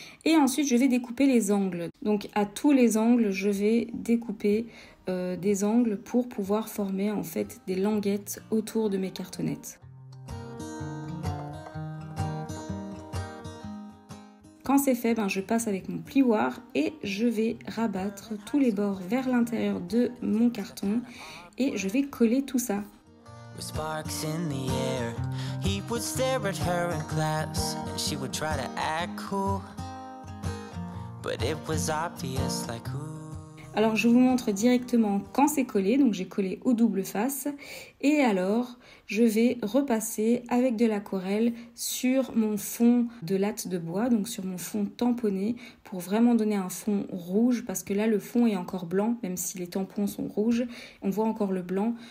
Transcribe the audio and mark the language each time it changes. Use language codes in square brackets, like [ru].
[fr] Et ensuite je vais découper les angles. Donc à tous les angles je vais découper des angles pour pouvoir former en fait des languettes autour de mes cartonnettes. Quand c'est fait, ben je passe avec mon plioir et je vais rabattre tous les bords vers l'intérieur de mon carton et je vais coller tout ça. [en] Sparks in the air. He would stare at her in class and she would try to act cool. But it was obvious like who. [fr] Alors je vous montre directement quand c'est collé, donc j'ai collé au double face et alors je vais repasser avec de l'aquarelle sur mon fond de latte de bois, donc sur mon fond tamponné pour vraiment donner un fond rouge parce que là le fond est encore blanc, même si les tampons sont rouges, on voit encore le blanc.